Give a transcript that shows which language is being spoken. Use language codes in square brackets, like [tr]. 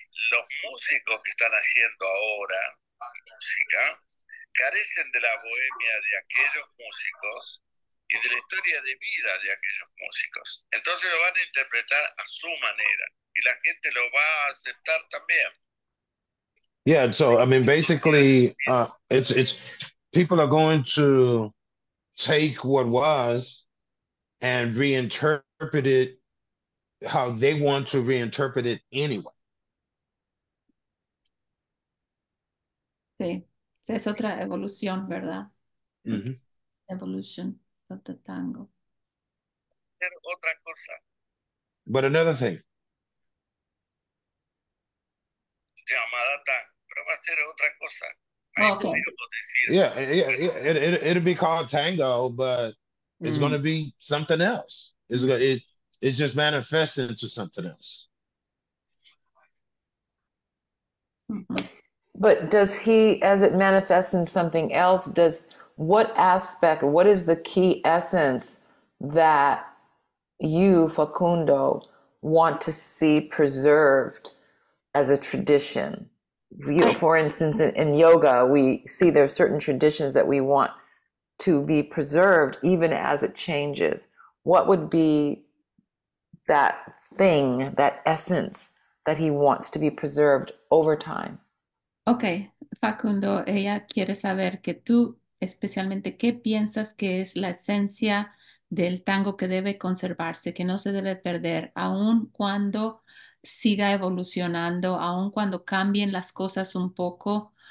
[es] Los músicos que están haciendo ahora música carecen de la bohemia de aquellos músicos y de la historia de vida de aquellos músicos. Entonces lo van a interpretar a su manera y la gente lo va a aceptar también. [en] Yeah, so I mean basically it's people are going to take what was and reinterpret it how they want to reinterpret it anyway. [es] Sí, es otra evolución, ¿verdad? [en] Evolution of the tango. [es] Otra cosa. [en] But another thing. [es] Llamada tango, pero va a ser otra cosa. [en] Okay. It'll be called tango, but it's going to be something else. It's just manifested into something else. But does he, as it manifests in something else, does what aspect, what is the key essence that you, Facundo, want to see preserved as a tradition? For instance, in yoga, we see there are certain traditions that we want to be preserved even as it changes. What would be that thing, that essence that he wants to be preserved over time? [es] Okay, Facundo, ella quiere saber que tú especialmente qué piensas que es la esencia del tango que debe conservarse, que no se debe perder, aun cuando siga evolucionando, aun cuando cambien las cosas un poco.